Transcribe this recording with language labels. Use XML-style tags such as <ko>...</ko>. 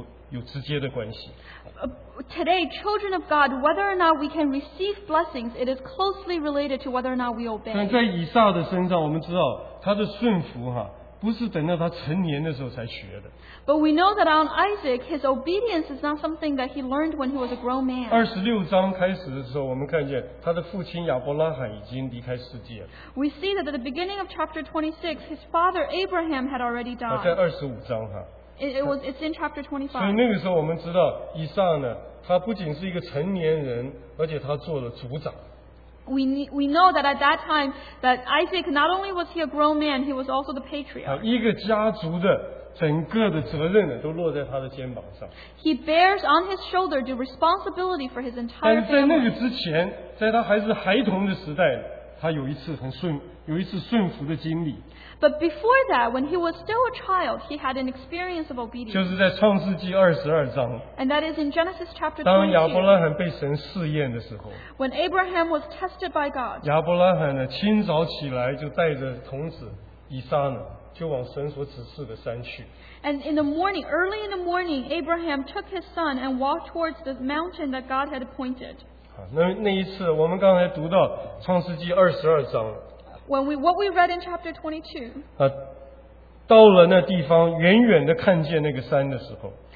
<zh>弟兄姊妹们，今天神的儿女们呢，我们能不能蒙福，跟我们对神的话语的顺服有直接的关系。</zh> <en>Today, children of God, whether or not we can receive blessings, it is closely related to whether or not we obey.</en> <zh>但在以撒的身上，我们知道他的顺服哈。不是等到他成年的时候才学的。</zh> <en>But we know that on Isaac, his obedience is not something that he learned when he was a grown man.</en> <zh>26章开始的时候，我们看见他的父亲亚伯拉罕已经离开世界了。</zh> <en>We see that at the beginning of chapter 26, his father Abraham had already died.</en> <zh>在25章哈。</zh> <en>It's in chapter 25.</en> <zh>所以那个时候我们知道，以撒呢，他不仅是一个成年人，而且他做了族长。</zh> <en>we know that at that time that Isaac not only was he a grown man, he was also the patriarch.</en> <zh>一个家族的整个的责任都落在他的肩膀上。</zh> <en>He bears on his shoulder the responsibility for his entire family.</en> <zh>但在那个之前, 在他还是孩童的时代, 他有一次顺服的经历。</zh> <en>But before that, when he was still a child, he had an experience of obedience.</en> <zh>就是在创世纪22章,</zh> <en>and that is in Genesis chapter 22.</en> <zh>当亚伯拉罕被神试验的时候,</zh> <en>when Abraham was tested by God,</en> <zh>亚伯拉罕呢, 清早起来就带着童子以撒呢, 就往神所指示的山去。</zh> <en>And in the morning, early in the morning, Abraham took his son and walked towards the mountain that God had appointed.</en> <zh>那一次我们刚才读到创世纪22章,</zh> <en>What we read in chapter 22,</en> <zh>到了那地方, 远远地看见那个山的时候,</zh>